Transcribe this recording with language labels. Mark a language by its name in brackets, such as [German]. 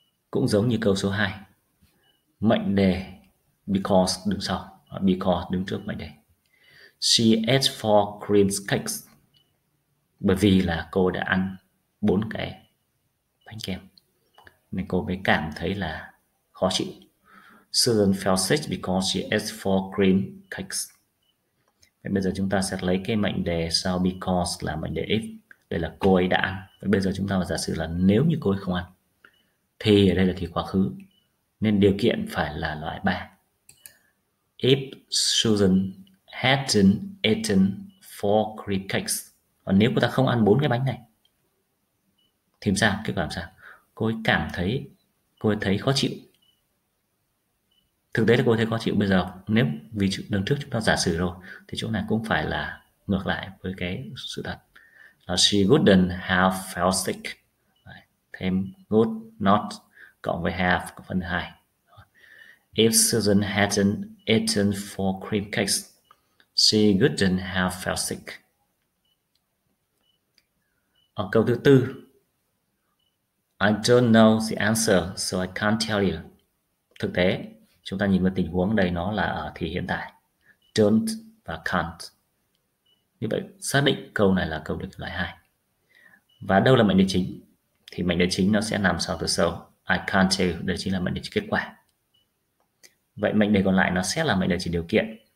[Vietnamese] Cũng giống như câu số 2. Mệnh đề because đứng sau. [English] Because [Vietnamese] đứng trước mệnh đề. [English] She ate 4 cream cakes. [Vietnamese] Bởi vì là cô đã ăn 4 cái bánh kem. Nên cô mới cảm thấy là khó chịu. [English] Susan felt sick because she ate 4 cream cakes. [Vietnamese] Bây giờ chúng ta sẽ lấy cái mệnh đề sau because là mệnh đề if. Đây là cô ấy đã ăn. Bây giờ chúng ta giả sử là nếu như cô ấy không ăn. Thì ở đây là thì quá khứ. Nên điều kiện phải là loại 3. [English] If Susan hadn't eaten 4 cream cakes. [Vietnamese] Còn nếu cô ta không ăn 4 cái bánh này. Thì sao? Kết quả làm sao? Cô ấy cảm thấy, cô ấy thấy khó chịu. Thực tế là cô ấy thấy khó chịu bây giờ, nếu vì đằng trước chúng ta giả sử rồi, thì chỗ này cũng phải là ngược lại với cái sự thật. [English] She wouldn't have felt sick. [Vietnamese] Thêm [English] would not [Vietnamese] cộng với [English] have [Vietnamese] có phần 2. [English] If Susan hadn't eaten four cream cakes, she wouldn't have felt sick. [Vietnamese] Ở câu thứ tư, [English] I don't know the answer, so I can't tell you. [Vietnamese] Thực tế, chúng ta nhìn vào tình huống đây nó là ở thì hiện tại. Don't và can't. Như vậy, xác định câu này là câu được loại 2. Và đâu là mệnh đề chính? Thì mệnh đề chính nó sẽ nằm sau từ sau. [English] I can't tell you, [Vietnamese] đây chính là mệnh đề chính kết quả. Vậy mệnh đề còn lại nó sẽ là mệnh đề chính điều kiện.